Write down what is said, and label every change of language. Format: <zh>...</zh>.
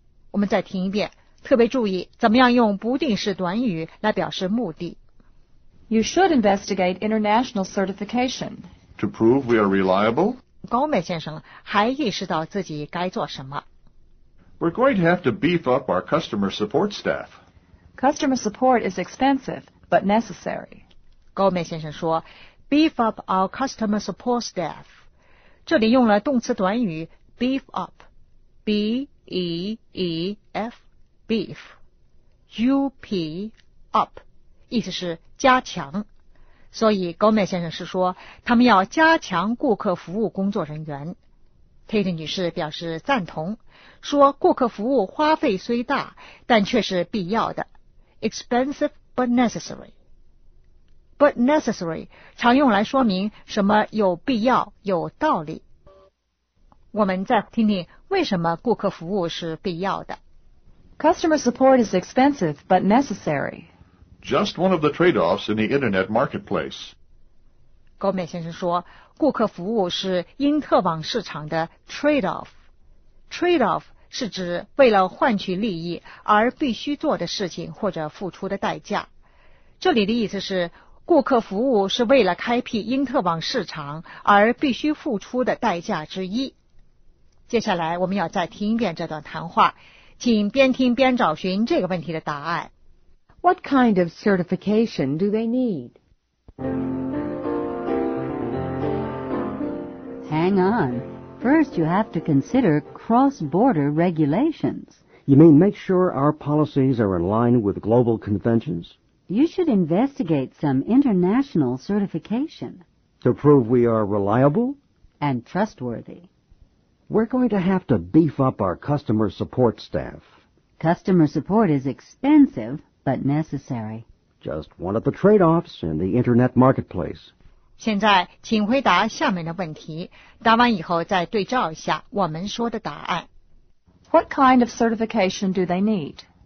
<zh>我们再听一遍，特别注意怎么样用不定式短语来表示目的。</zh> <en>You should investigate international certification. To prove we are reliable?</en> <zh>高美先生还意识到自己该做什么。</zh> <en>We're going to have to beef up our customer support staff. Customer support is expensive, but necessary.</en> <zh>高美先生说 ,</zh> <en>beef up our customer support staff.</en> <zh>这里用了动词短语 beef up.</zh> <en>B-E-E-F, beef. U-P, up.</en> <zh>意思是加强。所以高美先生是说他们要加强顾客服务工作人员。 Kate 女士表示赞同，说顾客服务花费虽大，但却是必要的。</zh> <en>Expensive but necessary.</en> <zh>But necessary 常用来说明什么有必要、有道理。我们再听听为什么顾客服务是必要的。</zh> <en>Customer support is expensive but necessary. Just one of the trade-offs in the internet marketplace.</en> <zh>高美先生说，顾客服务是因特网市场的 trade-off。 trade-off 是指为了换取利益而必须做的事情或者付出的代价。这里的意思是，顾客服务是为了开辟因特网市场而必须付出的代价之一。接下来我们要再听一遍这段谈话，请边听边找寻这个问题的答案。</zh> <en>What kind of certification do they need? Hang on. First, you have to consider cross-border regulations. You mean make sure our policies are in line with global conventions? You should investigate some international certification. To prove we are reliable? And trustworthy. We're going to have to beef up our customer support staff. Customer support is expensive, but necessary. Just one of the trade-offs in the Internet marketplace.</en> <zh>现在请回答下面的问题，答完以后再对照一下我们说的答案。</zh> <en>What kind of certification do they need?</en>